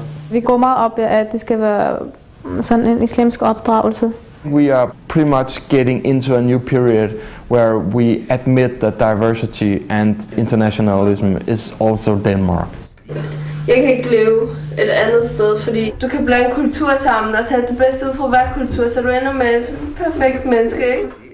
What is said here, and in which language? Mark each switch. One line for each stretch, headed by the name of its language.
Danish: Vi går meget op i, at det skal være sådan en islamisk opdragelse.
English: We are pretty much getting into a new period where we admit that diversity and internationalism is also Denmark.
Danish: Jeg kan ikke leve et andet sted, fordi du kan blande kultur sammen og tage det bedste ud fra hver kultur, så du ender med et perfekt menneske, ikke?